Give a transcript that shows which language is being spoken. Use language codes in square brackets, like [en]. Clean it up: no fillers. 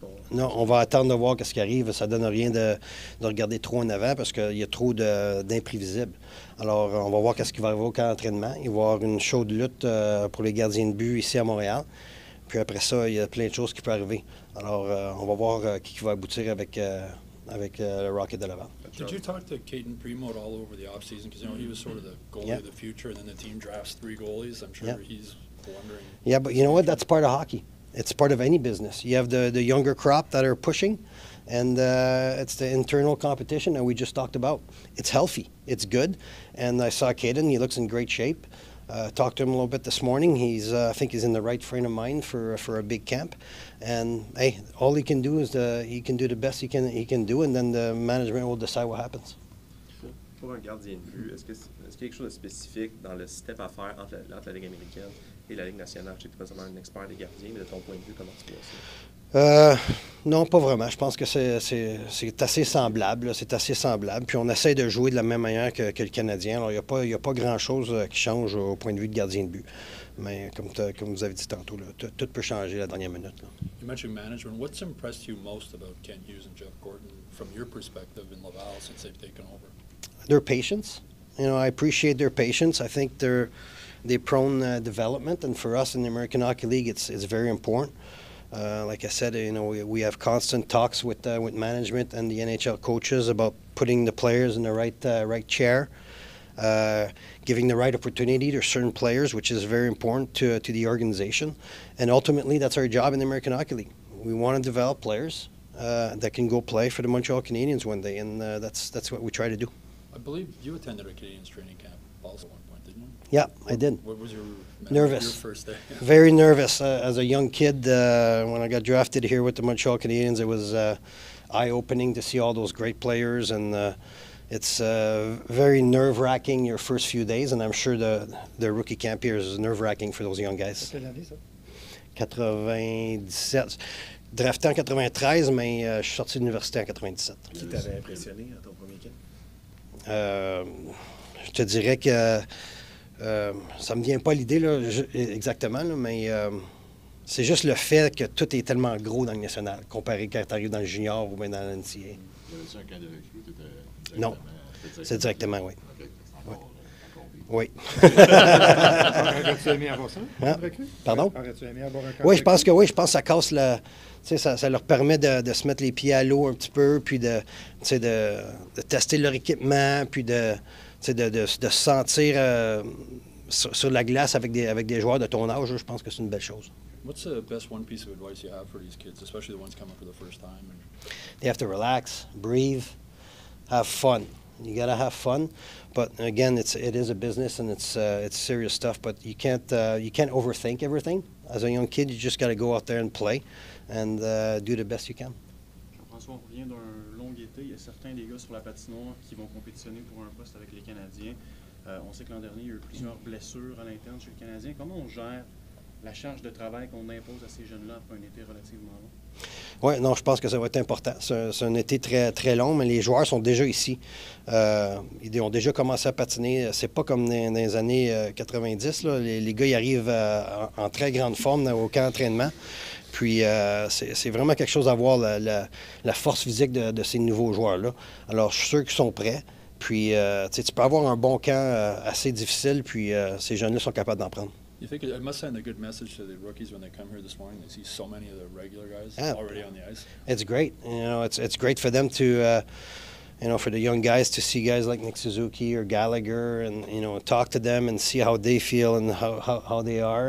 [fr] Non, on va attendre de voir ce qui arrive. Ça ne donne rien de regarder trop en avant parce qu'il y a trop d'imprévisibles. Alors, on va voir ce qui va arriver au camp d'entraînement. Il va y avoir une chaude lutte pour les gardiens de but ici à Montréal. Puis après ça, il y a plein de choses qui peuvent arriver. Alors, on va voir qui va aboutir avec le Rocket de Laval. [en] Did you talk to Caden Primeau all over the offseason? Because, you know, he was sort of the goalie of the future, and then the team drafts three goalies. I'm sure he's wondering. Yeah, but you know what? That's part of hockey. It's part of any business. You have the younger crop that are pushing. And it's the internal competition that we just talked about. It's healthy. It's good. And I saw Caden. He looks in great shape. Talked to him a little bit this morning. I think he's in the right frame of mind for a big camp. And hey, all he can do is he can do the best he can do, and then the management will decide what happens. [fr] Pour un gardien de vue, est-ce quelque chose de spécifique dans le step à faire entre la Ligue américaine et la Ligue nationale? Je sais que tu es pas vraiment un expert des gardiens, mais de ton point de vue, comment tu vois ça? Non, pas vraiment. Je pense que c'est assez semblable. Là. C'est assez semblable. Puis on essaie de jouer de la même manière que le Canadien. Alors, il n'y a pas grand-chose qui change au point de vue de gardien de but. Mais comme vous avez dit tantôt, là, tout peut changer la dernière minute. Là. [en] You mentioned management. What's impressed you most about Kent Hughes and Jeff Gordon from your perspective in Laval since they've taken over? Their patience. You know, I appreciate their patience. I think they're prone to development. And for us in the American Hockey League, it's very important. Like I said, you know, we have constant talks with management and the NHL coaches about putting the players in the right chair, giving the right opportunity to certain players, which is very important to the organization. And ultimately, that's our job in the American Hockey League. We want to develop players that can go play for the Montreal Canadiens one day, and that's what we try to do. I believe you attended a Canadiens training camp also at one point, didn't you? Yeah, I did. What was your... Nervous. Your first day. Yeah. Very nervous. As a young kid, when I got drafted here with the Montreal Canadiens, it was eye-opening to see all those great players and It's very nerve-wracking your first few days, and I'm sure the rookie camp here is nerve-wracking for those young guys. '97. [fr] Drafté en 93, mais je suis sorti de l'université en 97. Qui t'avait impressionné à ton premier camp? Je te dirais que ça me vient pas l'idée là, exactement, là, mais c'est juste le fait que tout est tellement gros dans le national, comparé quand tu arrives dans le junior ou même dans l'NCA. Y avait-tu un camp de recrue? Non, c'est directement, oui. Okay. Oui. Aurais-tu aimé avoir ça? Hein? Pardon? Aurais-tu aimé avoir un camp? Oui, je pense que oui. Je pense que ça casse le. Tu sais, ça leur permet de se mettre les pieds à l'eau un petit peu, puis de tester leur équipement, puis de se sentir sur la glace avec des joueurs de ton âge. Je pense que c'est une belle chose. [en] What's the best one piece of advice you have for these kids, especially the ones coming for the first time? They have to relax, breathe. Have fun. You gotta have fun, but again, it is a business and it's serious stuff. But you can't overthink everything. As a young kid, you just gotta go out there and play, and do the best you can. [fr] Jean-François, on revient d'un long été. Il y a certains des gars sur la patinoire qui vont compétitionner pour un poste avec les Canadiens. On sait que l'an dernier, il y a eu plusieurs blessures à l'interne chez les Canadiens. Comment on gère la charge de travail qu'on impose à ces jeunes-là après un été relativement long? Oui, non, je pense que ça va être important. C'est un été très, très long, mais les joueurs sont déjà ici. Ils ont déjà commencé à patiner. C'est pas comme dans les années 90. Là. Les gars, ils arrivent en très grande forme au camp d'entraînement. Puis c'est vraiment quelque chose à voir, la force physique de ces nouveaux joueurs-là. Alors, je suis sûr qu'ils sont prêts. Puis tu peux avoir un bon camp assez difficile, puis ces jeunes-là sont capables d'en prendre. [en] You think it must send a good message to the rookies when they come here this morning? They see so many of the regular guys already on the ice. It's great. You know, it's great for them to, you know, for the young guys to see guys like Nick Suzuki or Gallagher and, you know, talk to them and see how they feel and how they are.